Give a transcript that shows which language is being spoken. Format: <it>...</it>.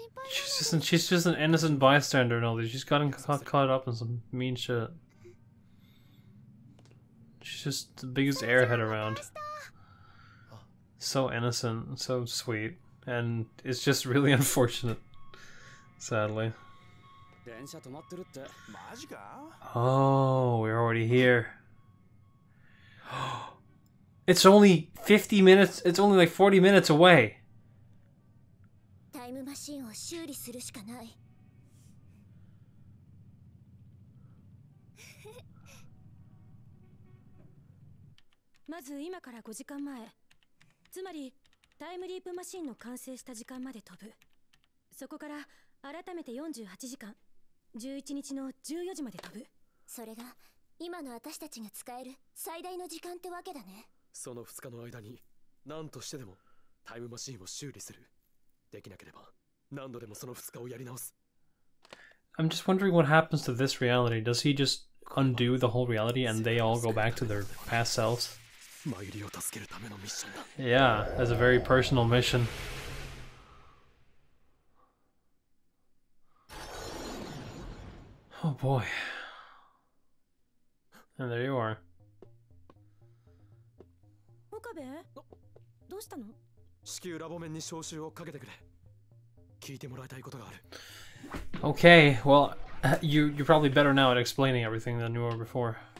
<en>She's just an innocent bystander, and she's gotten caught up in some mean shit. She's just the biggest airhead around. So innocent, so sweet, and it's just really unfortunate, sadly.</en> <ja>電車止まってるってマジか。</ja> <en>Oh, we're already here. It's only 50 minutes. It's only like 40 minutes away.</en> <ja>タイムマシンを修理するしかない。まず今から5時間前、つまりタイムリープマシンの完成した時間まで飛ぶ。そこから改めて48時間、11日の14時まで飛ぶ。それが今の私たちが使える最大の時間ってわけだね。その2日の間に何としてでもタイムマシーンを修理する。できなければ何度でもその2日をやり直す。</ja> <en>I'm just wondering what happens to this reality. Does he just undo the whole reality and they all go back to their past selves?</en> <ja>マユリを助けるためのミッションだ。</ja> <en>Yeah, that's a very personal missionOh boy. And there you are.</en> <ja>Okabe? どうしたの？至急ラボ面に招集をかけてくれ。聞いてもらいたいことがある。</ja> <en>Okay, well, you're probably better now at explaining everything than you were before.</en>